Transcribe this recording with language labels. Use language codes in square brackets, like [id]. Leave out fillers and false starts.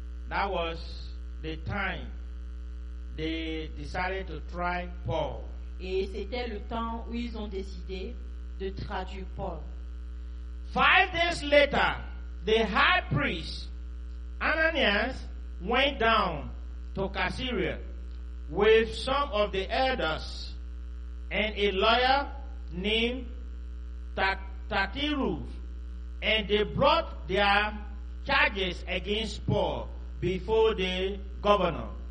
[en] That was the time they decided to try Paul. [fr] Et c'était le temps où ils ont décidé de traduire Paul. [en] 5 days later, the high priest Ananias went down to Caesarea with some of the elders and a lawyer named Tatirus, and they brought their charges against Paul before the governor.